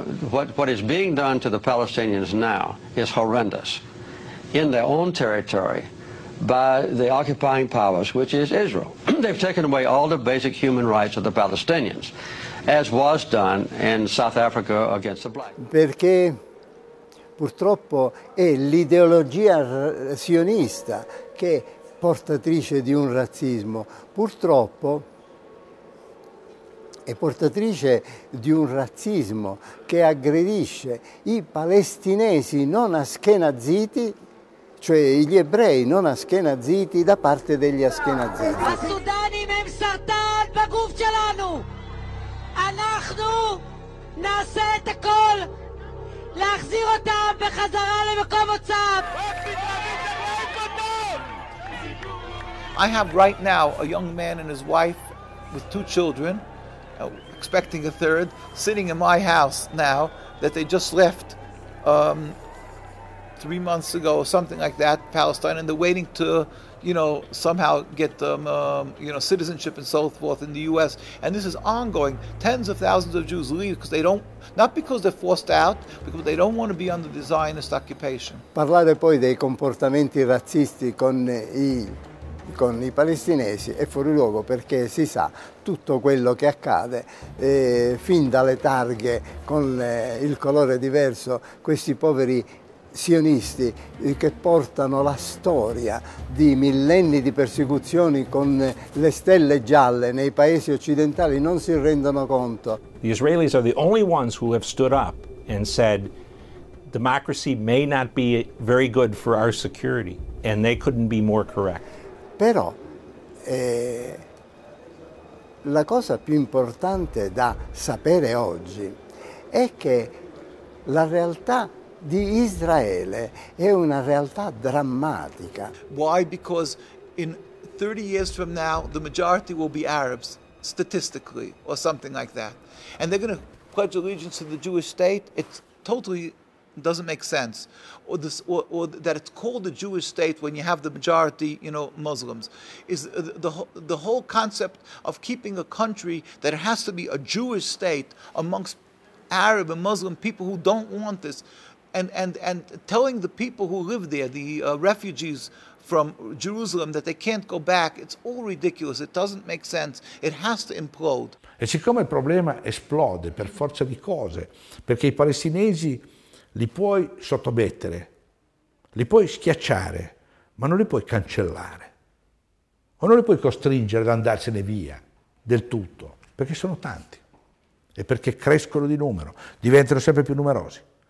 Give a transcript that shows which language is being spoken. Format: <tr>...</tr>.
<en>What is being done to the Palestinians now is horrendous in their own territory by the occupying powers, which is Israel. They've taken away all the basic human rights of the Palestinians, as was done in South Africa against the blacks.</en> <it>Perché purtroppo è l'ideologia sionista che è portatrice di un razzismo. Purtroppo è portatrice di un razzismo che aggredisce i palestinesi non a schiena ziti, cioè gli ebrei non ashkenaziti da parte degli ashkenaziti.</it> <he>הסודנים הם סרטן בגוף שלנו. אנחנו נעשה את הכל להחזיר אותם בחזרה למקום מוצאם.</he> <en>I have right now a young man and his wife with two children, expecting a third, sitting in my house now that they just left 3 months ago or something like that, Palestine, and they're waiting to, you know, somehow get you know, citizenship and so forth in the U.S. And this is ongoing. Tens of thousands of Jews leave because they don't, not because they're forced out, because they don't want to be under the Zionist occupation.</en> <it>Parlare poi dei comportamenti razzisti con i palestinesi è fuori luogo, perché si sa tutto quello che accade, fin dalle targhe con il colore diverso, questi poveri sionisti che portano la storia di millenni di persecuzioni con le stelle gialle nei paesi occidentali non si rendono conto.</it> <en>The Israelis are the only ones who have stood up and said democracy may not be very good for our security, and they couldn't be more correct.</en> <it>Però la cosa più importante da sapere oggi è che la realtà di Israele è una realtà drammatica.</it> <en>Why? Because in 30 years from now the majority will be Arabs, statistically, or something like that. And they're going to pledge allegiance to the Jewish state? It's totally doesn't make sense. Or this, or that it's called the Jewish state when you have the majority, you know, Muslims. Is the whole concept of keeping a country that it has to be a Jewish state amongst Arab and Muslim people who don't want this, and telling the people who live there, the refugees from Jerusalem, that they can't go back, it's all ridiculous. It doesn't make sense. It has to implode.</en> <it>E siccome il problema esplode per forza di cose, perché i palestinesi li puoi sottomettere, li puoi schiacciare, ma non li puoi cancellare. O non li puoi costringere ad andarsene via del tutto, perché sono tanti e perché crescono di numero, diventano sempre più numerosi.</it>